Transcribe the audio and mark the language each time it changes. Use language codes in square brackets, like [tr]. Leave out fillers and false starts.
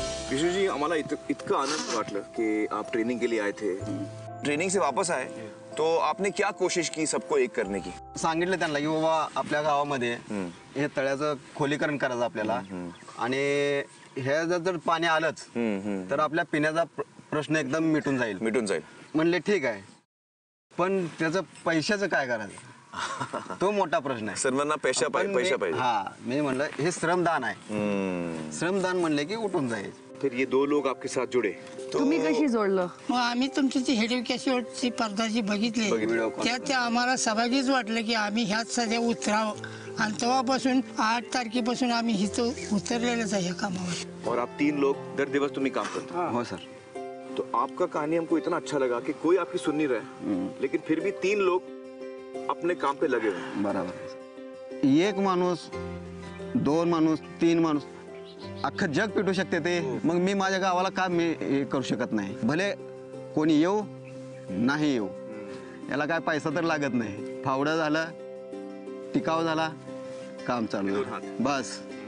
[mr] विष्णुजी आम्हाला इतकं आनंद वाटलं की [hi] आप ट्रेनिंग के लिए आए थे. ट्रेनिंग से वापस आए तो आपने क्या कोशिश की सबको एक करने की? [mr] सांगितलं त्यांना की बाबा आपल्या गावामध्ये हे तळ्याचं खोलीकरण करायचं आपल्याला, आणि हे जर पाणी आलंच तर आपल्या पिण्याचा प्रश्न एकदम मिटून जाईल. मिटून जाईल म्हणले ठीक आहे, पण त्याचं पैशाचं काय करायचं तो मोठा प्रश्न आहे. सर्वांना पैसा पाहिजे, पैसा पाहिजे. हा मी म्हणलं हे श्रमदान आहे, श्रमदान म्हणले की उठून जाईल. [hi] फिर ये दो लोग आपके साथ जुड़े, [mr] तो तुम्ही कशी जोडलं? मग आम्ही तुमची हेड कॅसेट ची पडदाची बघितली, त्या आम्हाला सहभागीच वाटलं की आम्ही ह्याच सध्या उतराव, आणि तेव्हापासून 8 तारखेपासून आम्ही हिच उतरलेलंच आहे या कामावर. [hi] और आप तीन लोग दर दिवस [mr] तुम्ही काम करता? हो सर. [hi] तो आपका कहानी हमको इतना अच्छा लगा की कोई आपकी सुन नहीं रहे लेकिन फिर भी तीन लोग अपने काम पे लगे हुए. [mr] बराबर. एक माणूस, दोन माणूस, तीन माणूस, अख्खं जग पेटू शकते ते. मग मी माझ्या गावाला काम मी करू शकत नाही, भले कोणी येऊ नाही येऊ, याला काय पैसा तर लागत नाही. फावडा झाला, टिकाव झाला, काम चालू. बस.